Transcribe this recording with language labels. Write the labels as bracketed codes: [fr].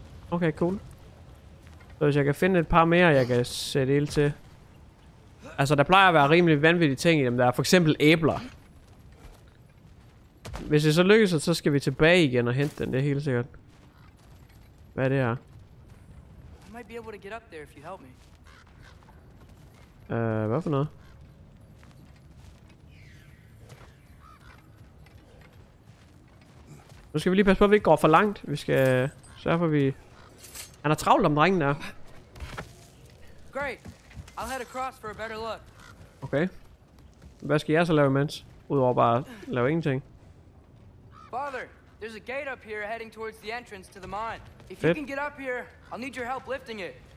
[en] Okay, cool. [da] Så hvis jeg kan finde et par mere, jeg kan sætte ild til. Altså, der plejer at være rimelig vanvittige ting i dem. Der er for eksempel æbler. Hvis det så lykkes, så skal vi tilbage igen og hente den. Det er helt sikkert. Hvad er det her? [en] I might be able to get up there if you help me. [da] Hvad for noget? Nu skal vi lige passe på, at vi ikke går for langt. Vi skal sørge for, at vi. Han er travlt om drengen der. [en] Great. I'll head across for a better look. Okay. [da] Hvad skal jeg så lave imens? Udover bare lave ingenting. [en] Father, there's a gate up here heading towards the entrance to the mine. If you can get up here, I'll need your help lifting it.